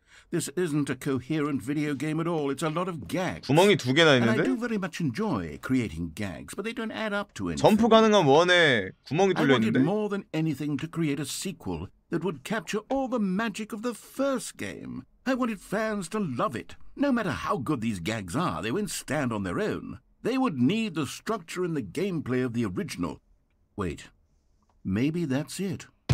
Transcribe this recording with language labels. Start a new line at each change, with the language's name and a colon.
English: This isn't a coherent video game at all. It's a lot of gags.
Korean: 구멍이 두 개나 있는데?
English: And I do very much enjoy creating gags, but they don't add up to anything.
Korean: 점프 가능한 원에 구멍이 뚫려 있는데?
English: I wanted more than anything to create a sequel that would capture all the magic of the first game. I wanted fans to love it. No matter how good these gags are, they won't stand on their own. They would need the structure and the gameplay of the original. Wait, maybe that's it.